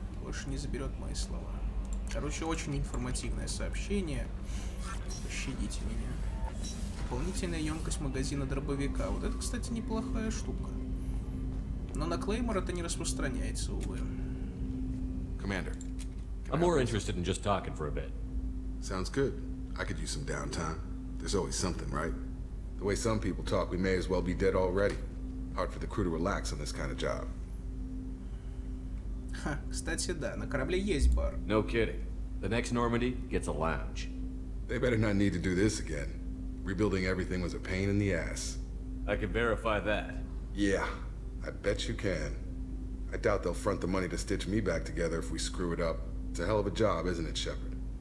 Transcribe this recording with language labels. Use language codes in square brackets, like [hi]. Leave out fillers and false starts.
[ru] Больше не заберет мои слова. Короче, очень информативное сообщение. Пощадите меня. Дополнительная емкость магазина дробовика. Вот это, кстати, неплохая штука. Но на Клеймор это не распространяется, увы. [en] Commander. I'm more interested in just talking for a bit. Sounds good. I could use some downtime. There's always something, right? The way some people talk, we may as well be dead already. Hard for the crew to relax on this kind of job. [ru] Ха, кстати, да, на корабле есть бар. [en] No kidding. The next Normandy gets a lounge. They better not need to do this again. Rebuilding everything was a pain in the ass. I can verify that. Yeah, I bet you can. I doubt they'll front the money to stitch me back together if we screw it up. It's a hell of a job, isn't it, Shepard?